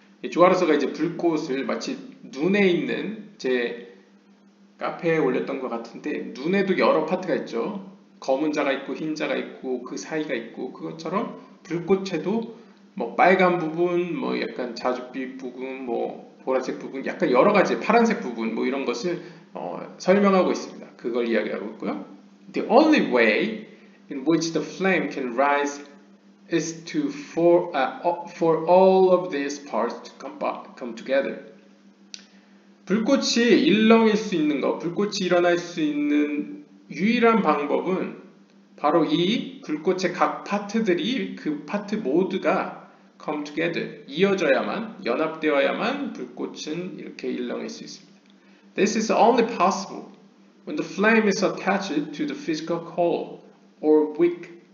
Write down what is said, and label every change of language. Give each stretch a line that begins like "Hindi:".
Korean: 조하르서가 이제 불꽃을 마치 눈에 있는 제 카페에 올렸던 것 같은데 눈에도 여러 파트가 있죠. 검은자가 있고 흰자가 있고 그 사이가 있고 그것처럼 불꽃에도 뭐 빨간 부분, 뭐 약간 자줏빛 부분, 뭐 보라색 부분, 약간 여러 가지 파란색 부분 뭐 이런 것을 설명하고 있습니다. 그걸 이야기하고 있고요.
English: The only way in which the flame can rise is to for all of these parts to come together.
Korean: 불꽃이 일렁일 수 있는 것, 불꽃이 일어날 수 있는 유일한 방법은 바로 이 불꽃의 각 파트들이 그 파트 모두가
English: come together,
Korean: 이어져야만, 연합되어야만 불꽃은 이렇게 일렁일 수 있습니다.
English: This is only possible when the flame is attached to the physical coal or wick.